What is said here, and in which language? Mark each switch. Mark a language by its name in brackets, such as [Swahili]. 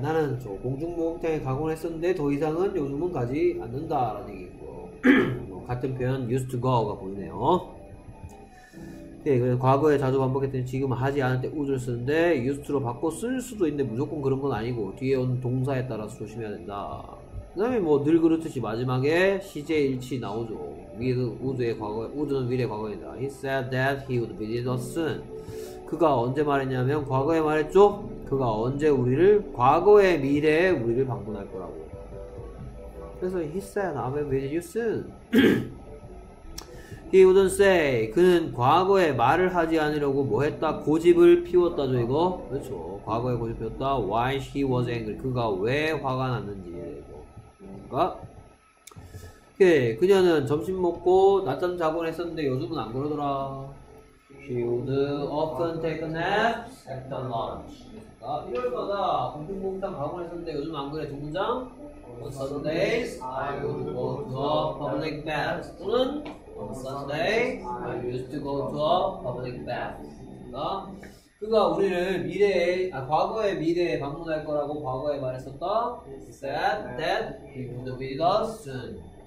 [Korean] 나는 저 공중목욕탕에 가곤 했었는데 더 이상은 요즘은 가지 않는다 라는 얘기고 뭐 같은 표현 used to go가 보이네요. 네, 그래서 과거에 자주 반복했더니 지금은 하지 않을 때 would를 쓰는데 used to로 바꿔 쓸 수도 있는데 무조건 그런 건 아니고 뒤에 온 동사에 따라서 조심해야 된다. 그 다음에 뭐 늘 그렇듯이 마지막에 시제 일치 나오죠. would의 과거, would는 미래 과거입니다. [English] He said that he would visit us soon. [Korean] 그가 언제 말했냐면 과거에 말했죠. 그가 언제 우리를 과거의 미래에 우리를 방문할 거라고. 그래서 [English] he said I will visit you soon. he wouldn't say. [Korean] 그는 과거에 말을 하지 않으려고 뭐 했다? 고집을 피웠다죠 이거. 그렇죠. 과거에 고집 피웠다. [English] why he was angry. [Korean] 그가 왜 화가 났는지. 그러니까 okay. 그녀는 점심 먹고 낮잠 자곤 했었는데 요즘은 안 그러더라. [English] She would often take a nap at the lunch. [Korean] 아, 일요일마다 공중공장 가곤 했었는데 요즘 안 그래 동장? [English] On Sundays, I would go to a public bath. [Korean] 또는 [English] On Sunday, I used to go to a public bath. [Korean] 아, 그가 우리를 미래에, 아, 과거의 미래에 방문할 거라고 과거에 말했었다. [English] He said that he would visit us soon.